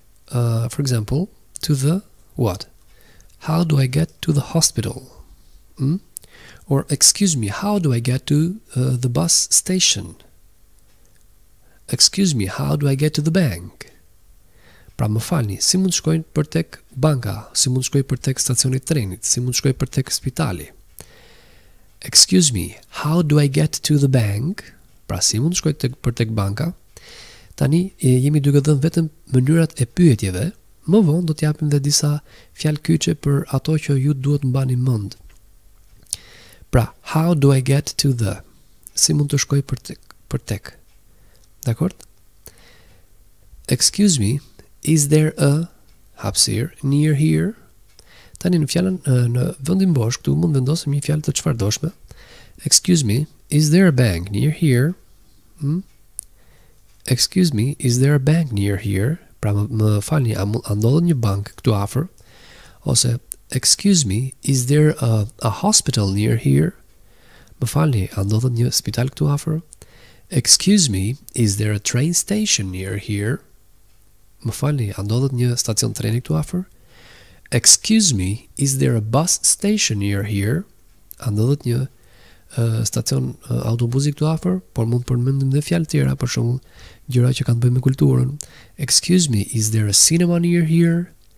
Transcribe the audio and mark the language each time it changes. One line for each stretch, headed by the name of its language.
English: For example, to the what? How do I get to the hospital? Or excuse me, how do I get to the bus station? Excuse me, how do I get to the bank?
Albanian: Pra më falni, si mund të shkojnë për tek banka, si mund të shkojnë për tek stacionit trenit, si mund të shkojnë për tek spitali.
English: Excuse me, how do I get to the bank?
Albanian: Pra si mund të shkojnë për tek banka? Tani, jemi duke dhënë vetëm mënyrat e pyetjeve, më vonë do t'japim dhe disa fjalë kyçe për ato që ju duhet mbani mend. Pra,
English: how do I get to the?
Albanian: Si mund të shkojnë për tek? Dakord?
English: Excuse me, is there a hapësirë near here?
Albanian: Tani në fjalën në vendin bosh këtu mund vendosim një fjalë të çfarëdoshme.
English: Excuse me, is there a bank near here? Excuse me, is there a bank near here?
Albanian: Pra më falni, a ndodhet një bank këtu afër?
English: Ose excuse me, is there a hospital near here?
Albanian: Më falni, a ndodhet një spital këtu afër?
English: Excuse me, is there a train station near here?
Albanian: Më falni, a ndodhet një stacion treni këtu afër?
English: Excuse me, is there a bus station near here?
Albanian: A ndodhet një stacion autobusi këtu afër? Por mund përmendim dhe fjalë tjera, për shembull, gjëra që kanë të bëjnë me kulturën.
English: Excuse me, is there a cinema near here?